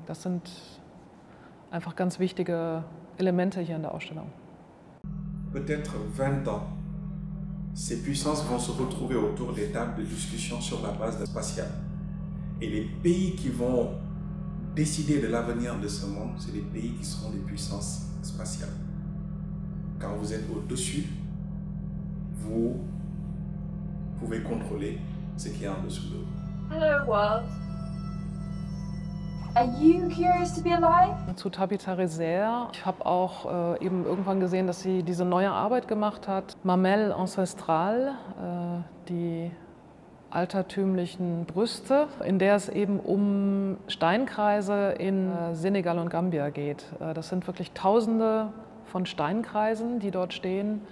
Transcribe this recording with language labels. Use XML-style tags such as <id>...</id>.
<de>Das sind einfach ganz wichtige Elemente hier in der Ausstellung.</de> <fr>Peut-être 20 ans. Ces puissances vont se retrouver autour des tables de discussion sur la base spatiale. Et les pays qui vont décider de l'avenir de ce monde, c'est les pays qui seront des puissances spatiales. Quand vous êtes au-dessus, vous pouvez contrôler ce qui est en dessous de vous.</fr> <en>Hello world. Are you curious to be alive?</en> <de>Zu Tabitha Reser. Ich habe auch eben irgendwann gesehen, dass sie diese neue Arbeit gemacht hat. Mamelle Ancestrale, die altertümlichen Brüste, in der es eben um Steinkreise in Senegal und Gambia geht. Das sind wirklich Tausende von Steinkreisen, die dort stehen.</de>